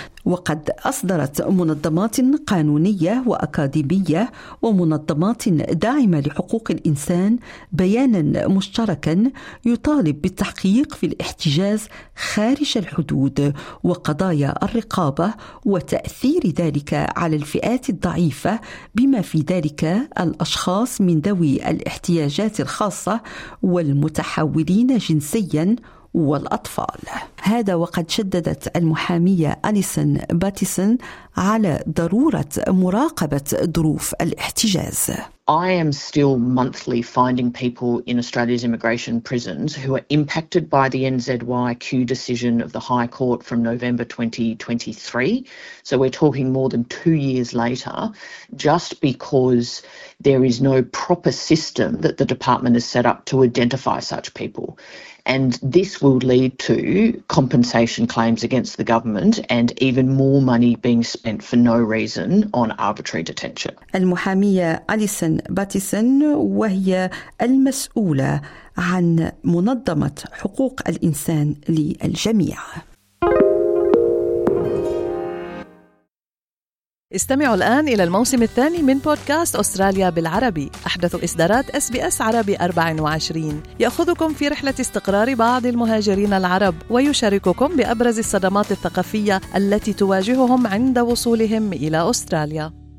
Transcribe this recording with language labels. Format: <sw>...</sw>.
<ar>وقد أصدرت منظمات قانونية وأكاديمية ومنظمات داعمة لحقوق الإنسان بيانا مشتركا يطالب بالتحقيق في الاحتجاز خارج الحدود وقضايا الرقابة وتأثير ذلك على الفئات الضعيفة بما في ذلك الأشخاص من ذوي الاحتياجات الخاصة والمتحولين جنسيا والأطفال. هذا وقد شددت المحامية أليسون باتيسون على ضرورة مراقبة ظروف الاحتجاز.</ar> <en>I am still monthly finding people in Australia's immigration prisons who are impacted by the NZYQ decision of the High Court from November 2023. So we're talking more than 2 years later, just because there is no proper system that the department has set up to identify such people. And this will lead to compensation claims against the government and even more money being spent for no reason on arbitrary detention.</en> <ar>المحامية أليسن باتيسن وهي المسؤولة عن منظمة حقوق الإنسان للجميع. استمعوا الآن إلى الموسم الثاني من بودكاست أستراليا بالعربي، أحدث إصدارات SBS عربي 24، يأخذكم في رحلة استقرار بعض المهاجرين العرب ويشارككم بأبرز الصدمات الثقافية التي تواجههم عند وصولهم إلى أستراليا.</ar>